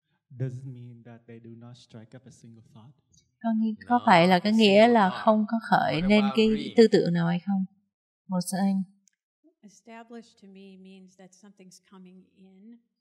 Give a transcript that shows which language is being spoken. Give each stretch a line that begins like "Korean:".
English: Does it mean that they do not strike up a single thought?
Vietnamese: Có phải là cái nghĩa là không có khởi nên cái tư tưởng nào hay không? Màu xanh.
English: Established to me means that something's coming in.